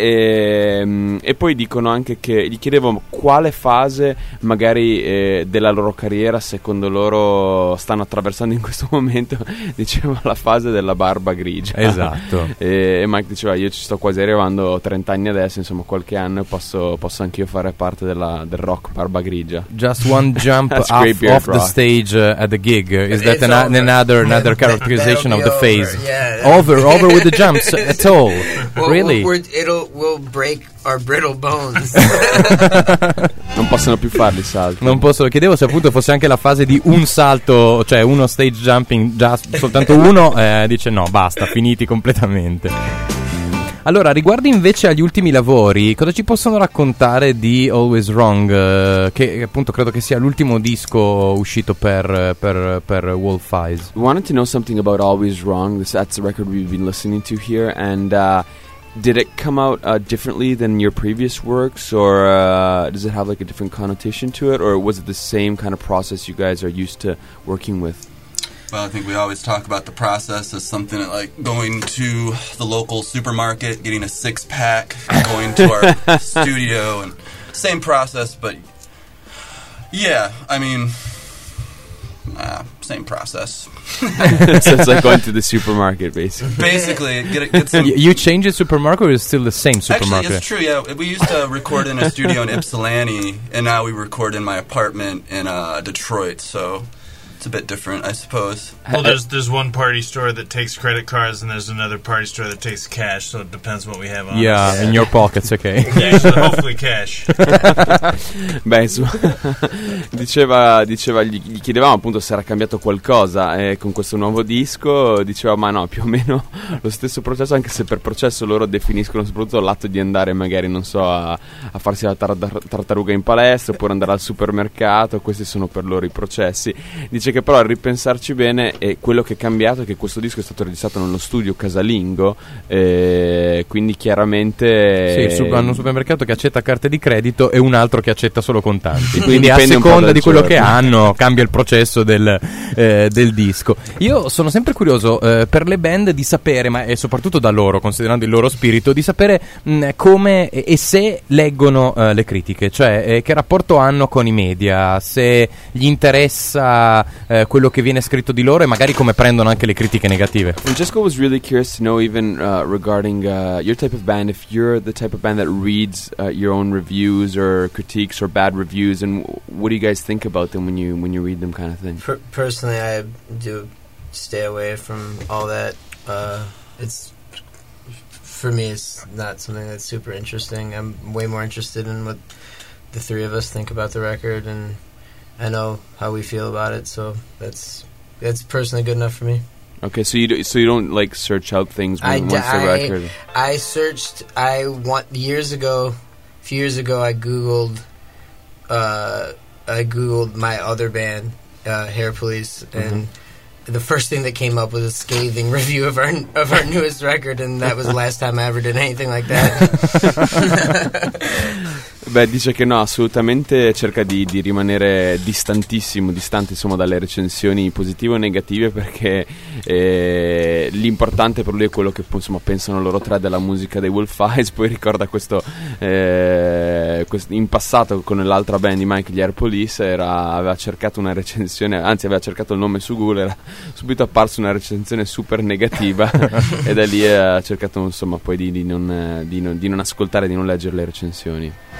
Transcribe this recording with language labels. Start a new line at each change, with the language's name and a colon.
Italian: E poi dicono anche che, gli chiedevo quale fase magari della loro carriera secondo loro stanno attraversando in questo momento. Dicevo la fase della barba grigia. Esatto. E Mike diceva: io ci sto quasi arrivando, ho 30 anni adesso, insomma qualche anno posso anch'io fare parte del rock barba grigia.
English: Just one jump off the stage at the gig, is that another characterization of the phase? Yeah. over with the jumps at all? Well, really? We'll break our brittle bones.
Italian: Non possono più farli salti. Non posso. Chiedevo se appunto fosse anche la fase di un salto, cioè uno stage jumping, già soltanto uno. Dice no, basta, finiti completamente. Allora, riguardo invece agli ultimi lavori, cosa ci possono raccontare di Always Wrong, che appunto credo che sia l'ultimo disco uscito per Wolf Eyes?
English: We wanted to know something about Always Wrong. That's the record we've been listening to here, and did it come out differently than your previous works, or does it have like a different connotation to it, or was it the same kind of process you guys are used to working with? Well, I think we always talk about the process as something like going to the local supermarket, getting a six-pack, going to our studio, and same process, but yeah, I mean, same process. So it's like going to the supermarket, basically. Basically, get some... You change the supermarket, or is it still the same supermarket? Actually, it's true, yeah. We used to record in a studio in Ypsilanti, and now we record in my apartment in Detroit, so... It's a bit different, I suppose. Well, there's one party store that takes credit cards, and there's another party store that takes cash, so it depends what we have on. Yeah, in your pockets, okay. Hopefully cash.
Italian: Beh, insomma, diceva gli chiedevamo appunto se era cambiato qualcosa con questo nuovo disco. Diceva, ma no, più o meno lo stesso processo, anche se per processo loro definiscono soprattutto l'atto di andare, magari, non so, a farsi la tartaruga in palestra, oppure andare al supermercato. Questi sono per loro i processi. Dice che però, a ripensarci bene, è quello che è cambiato è che questo disco è stato registrato nello studio casalingo, quindi chiaramente... Sì, hanno un supermercato che accetta carte di credito e un altro che accetta solo contanti. Quindi a seconda di quello che hanno cambia il processo del disco. Io sono sempre curioso per le band di sapere, ma è soprattutto da loro, considerando il loro spirito, di sapere come e se leggono le critiche, cioè che rapporto hanno con i media, se gli interessa... quello che viene scritto di loro e magari come prendono anche le critiche negative.
English: Francesco was really curious to know, even regarding your type of band, if you're the type of band that reads your own reviews or critiques or bad reviews, and what do you guys think about them when you read them, kind of thing. Personally, I do stay away from all that. It's for me, it's not something that's super interesting. I'm way more interested in what the three of us think about the record, and I know how we feel about it, so that's personally good enough for me. Okay, so you don't like search out things once the record. A few years ago, I googled my other band, Hair Police, and the first thing that came up was a scathing review of our newest record, and that was the last time I ever did anything like that.
Italian: Beh, dice che no, assolutamente cerca di rimanere distante insomma dalle recensioni positive o negative, perché l'importante per lui è quello che insomma pensano loro tre della musica dei Wolf Eyes. Poi ricorda questo, in passato con l'altra band di Mike, gli Air Police, aveva cercato una recensione, anzi aveva cercato il nome su Google, era subito apparsa una recensione super negativa e da lì ha cercato insomma poi di non ascoltare, di non leggere le recensioni.